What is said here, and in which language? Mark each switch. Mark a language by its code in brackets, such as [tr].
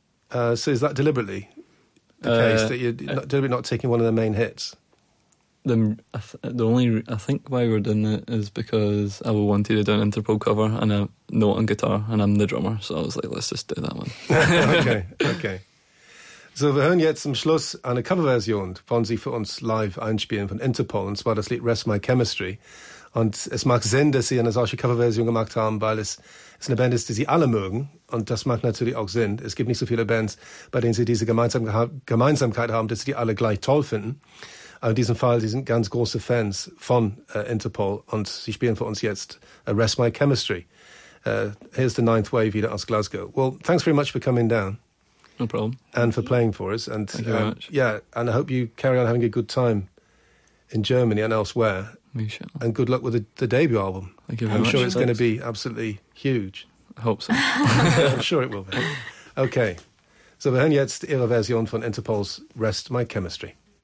[en] So is that deliberately? the case that you're not taking one of the main hits? I think why we're doing it is because I wanted to do an Interpol cover and a note on guitar, and I'm the drummer, so I was like, let's just do that one. Okay. [de] So wir hören jetzt zum Schluss eine Coverversion von Sie für uns live einspielen von Interpol, und zwar das Lied Rest My Chemistry. Und es macht Sinn, dass Sie eine solche Coverversion gemacht haben, weil es ist eine Band ist, die Sie alle mögen. Und das macht natürlich auch Sinn. Es gibt nicht so viele Bands, bei denen Sie diese Gemeinsamkeit haben, dass Sie die alle gleich toll finden. Aber in diesem Fall, Sie sind ganz große Fans von Interpol, und Sie spielen für uns jetzt Rest My Chemistry. [en] Here's the Ninth Wave [de] wieder aus Glasgow. [en] Well, thanks very much for coming down. No problem. And for playing for us. And, thank you very much. Yeah, and I hope you carry on having a good time in Germany and elsewhere. We shall. And good luck with the debut album. Thank you very I'm much. I'm sure it's going to be absolutely huge. I hope so. I'm sure it will be. Okay. [de] So wir hören jetzt Ihre Version von Interpol's Rest My Chemistry.